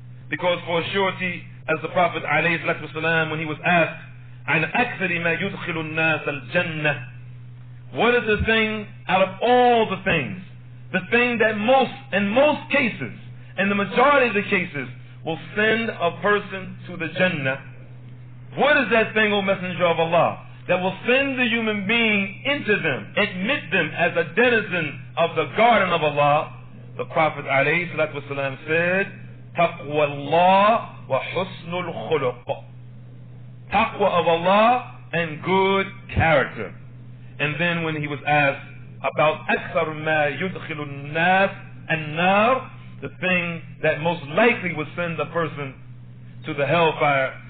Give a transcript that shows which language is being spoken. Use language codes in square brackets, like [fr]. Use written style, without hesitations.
[en] Because for surety, as the Prophet alayhi salatu wasalam, when he was asked, [ar] عن أكثر ما يدخل الناس الجنة, [en] what is the thing out of all the things, the thing that most, in most cases, in the majority of the cases, will send a person to the Jannah? What is that thing, O Messenger of Allah, that will send the human being into them, admit them as a denizen of the garden of Allah? The Prophet [ar] عليه الصلاة والسلام [en] said, [ar] تقوى الله وحسن الخلق. [en] Taqwa of Allah and good character. And then when he was asked about [ar] أكثر ما يدخل الناس النار, [en] the thing that most likely would send the person to the hellfire.